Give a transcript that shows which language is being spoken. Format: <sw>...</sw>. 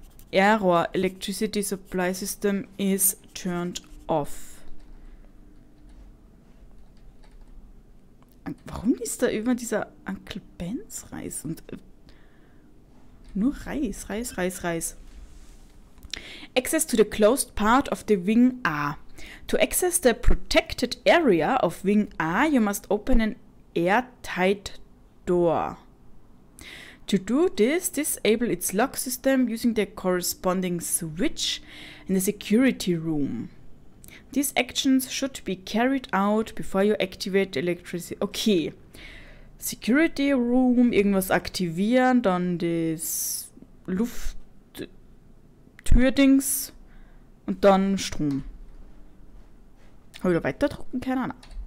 <en>Error. Electricity Supply System is turned off.</en> <de>Warum ist da immer dieser Uncle Ben's Reis? Und nur Reis, Reis, Reis, Reis.</de> <en>Access to the closed part of the Wing A. To access the protected area of Wing A, you must open an airtight door. To do this, disable its lock system using the corresponding switch in the security room. These actions should be carried out before you activate electricity. Okay. Security room,</en> <de>irgendwas aktivieren, dann das Lufttürdings und dann Strom. Habe ich da weiter drucken? Keine Ahnung.</de>